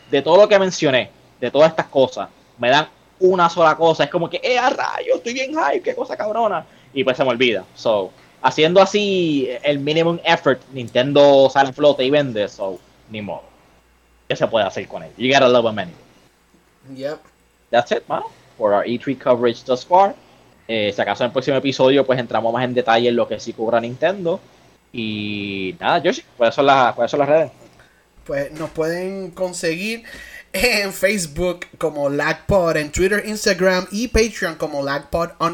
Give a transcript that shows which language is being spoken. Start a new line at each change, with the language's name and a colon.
Spanish: De todo lo que mencioné, de todas estas cosas, me dan una sola cosa. Es como que, ¡eh, a rayos! Estoy bien hype, qué cosa cabrona. Y pues se me olvida. So... haciendo así el minimum effort, Nintendo sale en flote y vende, so, ni modo. ¿Qué se puede hacer con él?
English: You gotta love him anyway. Yep. That's it, man, for our E3 coverage thus far.
Spanish: Si acaso en el próximo episodio, pues entramos más en detalle en lo que sí cubra Nintendo. Y nada, Yoshi, ¿cuáles son las redes? Pues nos pueden conseguir en Facebook como LagPod, en Twitter, Instagram y Patreon como LagPod_.